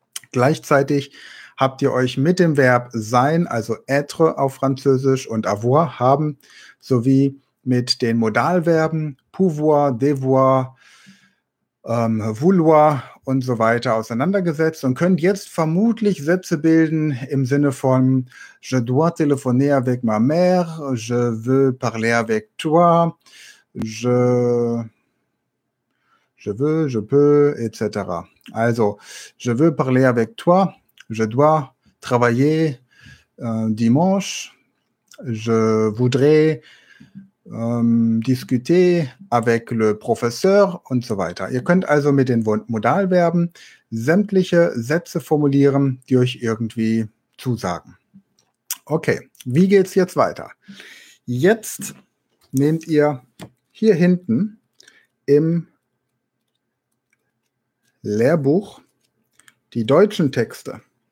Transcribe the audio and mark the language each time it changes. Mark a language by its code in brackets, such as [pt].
[de] Gleichzeitig habt ihr euch mit dem Verb sein, also être auf Französisch und avoir haben, sowie mit den Modalverben pouvoir, devoir, vouloir und so weiter auseinandergesetzt und könnt jetzt vermutlich Sätze bilden im Sinne von [fr] je dois téléphoner avec ma mère, je veux parler avec toi, je peux, etc. Also, je veux parler avec toi, je dois travailler dimanche, je voudrais discuter avec le professeur und so weiter. [de] Ihr könnt also mit den Modalverben sämtliche Sätze formulieren, die euch irgendwie zusagen. Okay, wie geht's jetzt weiter? Jetzt nehmt ihr hier hinten im Lehrbuch die deutschen Texte.